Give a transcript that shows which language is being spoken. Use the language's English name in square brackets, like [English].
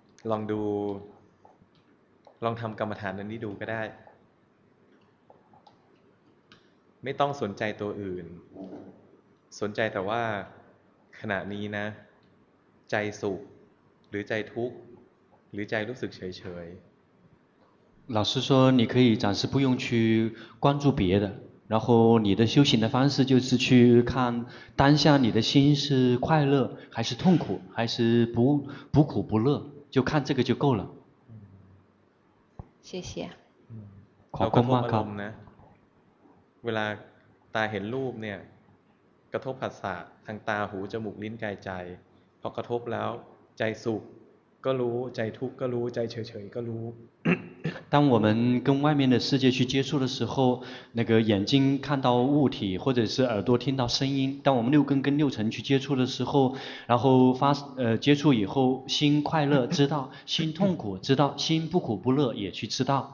[Thai] ลองทำกรรมฐานนี้ดูก็ได้ไม่ต้องสนใจตัวอื่นสนใจแต่ว่าขณะนี้นะใจสุขหรือใจทุกข์หรือใจรู้สึกเฉย [Chinese] ๆ老师说你可以暂时不用去关注别的然后你的修行的方式就是去看当下你的心是快乐还是痛苦还是不苦不乐就看这个就够了谢谢 [Thai] ขอบคุณมากครับ เวลาตาเห็นรูปเนี่ยกระทบผัสสะทางตาหูจมูกลิ้นกายใจพอกระทบแล้วใจสุขก็รู้ใจทุกข์ก็รู้ใจเฉยๆก็รู้ [Chinese] 当我们跟外面的世界去接触的时候那个眼睛看到物体或者是耳朵听到声音当我们六根跟六尘去接触的时候然后接触以后心快乐知道心痛苦知道心不苦不乐也去知道